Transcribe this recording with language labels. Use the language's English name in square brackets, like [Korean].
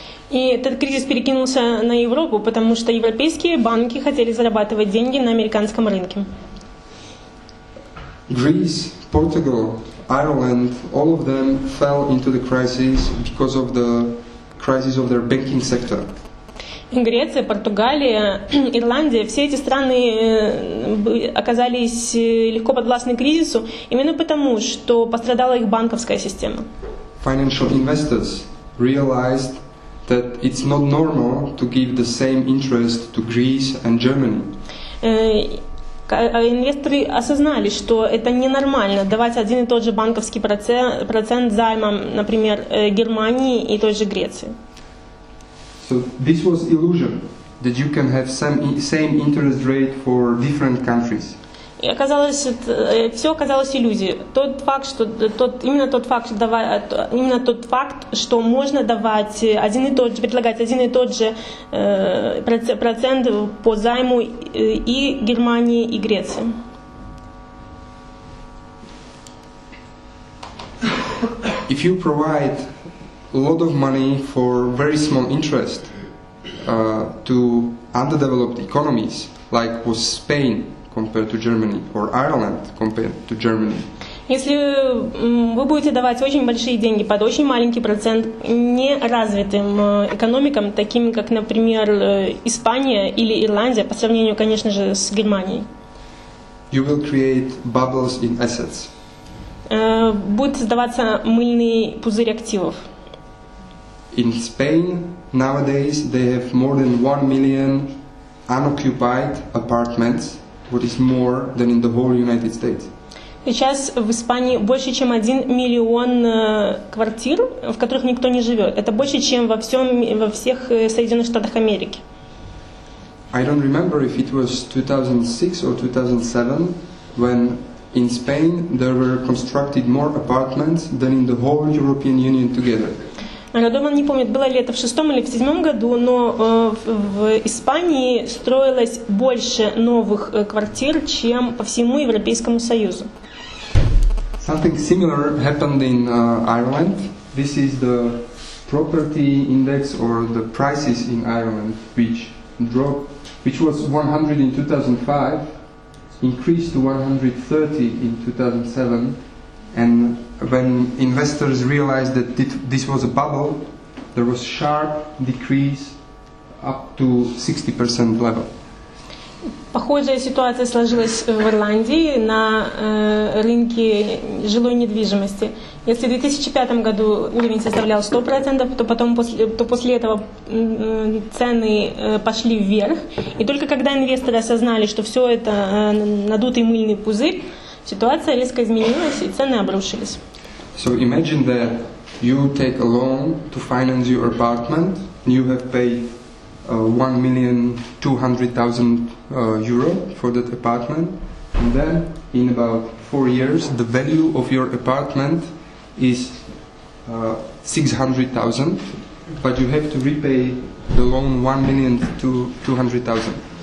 [Russian] И этот кризис перекинулся на Европу, потому что европейские банки хотели зарабатывать деньги на американском рынке. [English] Greece, Portugal, Ireland, all of them fell into the crisis because of the crisis of their banking sector. [Russian] Греция, Португалия, Ирландия, все эти страны оказались легко подвластны кризису именно потому, что пострадала их банковская система. [English] Financial investors realized that it's not normal to give the same interest to Greece and Germany. [Russian] Инвесторы осознали, что это ненормально давать один и тот же банковский процент займам, например, Германии и той же Греции. [English] So this was illusion. that you can have some same interest rate for different countries. [Russian] И оказалось, все оказалось иллюзией. Именно тот факт, что можно давать один и тот же, предлагать один и тот же процент по займу и Германии, и Греции. [English] If you provide a lot of money for very small interest to underdeveloped economies, like was Spain, compared to Germany, or Ireland, compared to Germany. [Russian] Если вы будете давать очень большие деньги под очень маленький процент неразвитым экономикам, таким как, например, Испания или Ирландия, по сравнению, конечно же, с Германией. [English] You will create bubbles in assets. [Russian] Будет создаваться мыльный пузырь активов. [English] In Spain, nowadays, they have more than 1 million unoccupied apartments. What is more than in the whole United States? [Russian] Сейчас в Испании больше, чем 1 миллион квартир, в которых никто не живет. Это больше, чем во всех Соединенных Штатах Америки. [English] I don't remember if it was 2006 or 2007 when in Spain there were constructed more apartments than in the whole European Union together. [Russian] Радован не помнит, было ли это в 2006 или 2007 году, но в Испании строилось больше новых квартир, чем по всему Европейскому Союзу. [English] Something similar happened in Ireland. This is the property index or the prices in Ireland, which dropped, which was 100 in 2005, increased to 130 in 2007, and when investors realized that this was a bubble, there was a sharp decrease up to 60% level. [Russian] Похожая ситуация сложилась в Ирландии на рынке жилой недвижимости. Если в 2005 году уровень составлял 100%, то потом после этого цены пошли вверх. И только когда инвесторы осознали, что все это надутый мыльный пузырь, ситуация резко изменилась и цены обрушились. [English] So imagine that you take a loan to finance your apartment, you have paid 1,200,000 euro for that apartment, and then in about 4 years the value of your apartment is 600,000, but you have to repay the loan 1,200,000.